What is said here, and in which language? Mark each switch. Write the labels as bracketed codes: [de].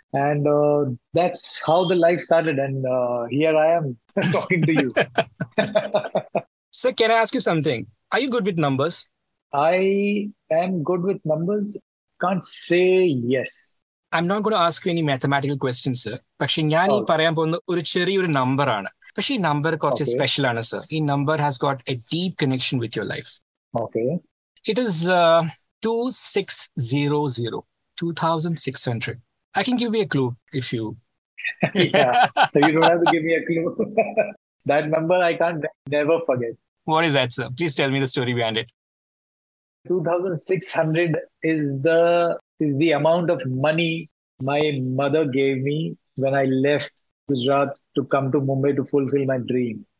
[en] And that's how the life started. And here I am talking to you. Sir, can I ask you something? Are you good with numbers? I am good with numbers. Can't say yes. I'm not going to ask you any mathematical questions, sir. [ml] പക്ഷെ ഞാൻ ഈ പറയാൻ പോകുന്ന ഒരു ചെറിയൊരു number ആണ്. പക്ഷെ ഈ നമ്പർ കുറച്ച് സ്പെഷ്യൽ ആണ് സർ. [en] ഈ number has got a deep connection with your life. Okay. It is 2600. I can give you a clue if you. Yeah. So you don't have to give me a clue. That number I can't never forget. What is that, sir? Please tell me the story behind it. 2600 is the amount of money my mother gave me when I left Gujarat to come to Mumbai to fulfill my dream.